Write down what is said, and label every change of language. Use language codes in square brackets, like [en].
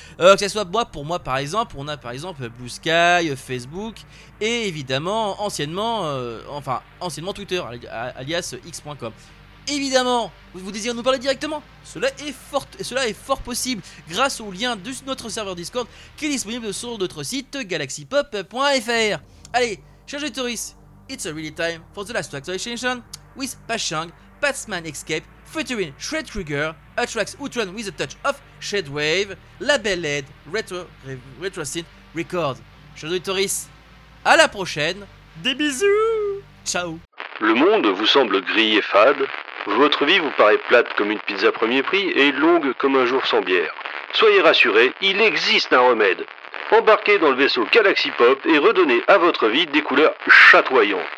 [fr] Que ce soit pour moi, par exemple, on a par exemple Blue Sky, Facebook, et évidemment, anciennement Twitter, alias x.com. Évidemment, vous désirez nous parler directement, cela est fort possible grâce au lien de notre serveur Discord qui est disponible sur notre site galaxypop.fr. Allez, chers touristes, [en] it's a really time for the last track of the session with Pachang, Batman Escape, featuring Shred Krueger, a track Outrun with a touch of Shredwave, labeled Retro Synth Record. [fr] Chers touristes, à la prochaine, des bisous, ciao. Le monde vous semble gris et fade? Votre vie vous paraît plate comme une pizza premier prix et longue comme un jour sans bière. Soyez rassurés, il existe un remède. Embarquez dans le vaisseau Galaxy Pop et redonnez à votre vie des couleurs chatoyantes.